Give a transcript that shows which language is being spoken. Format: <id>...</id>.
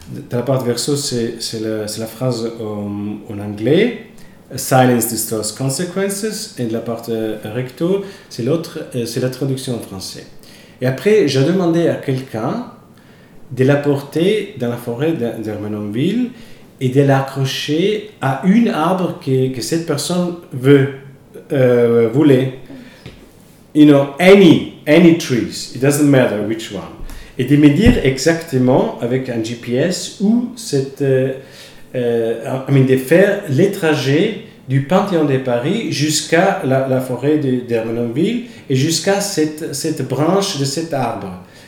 <fr>Dans la partie verso, c'est la phrase en anglais,</fr> <en>Silence Distorts Consequences,</en> <fr>et dans la partie recto, c'est la traduction en français. Et après, j'ai demandé à quelqu'un de la porter dans la forêt d'Hermenonville et de l'accrocher à un arbre que cette personne voulait.</fr> <en>You know, any trees, it doesn't matter which one.</en> <fr>Et de me dire exactement avec un GPS où de faire les trajets du Panthéon de Paris jusqu'à la forêt d'Hermenonville et jusqu'à cette branche de cet arbre.</fr>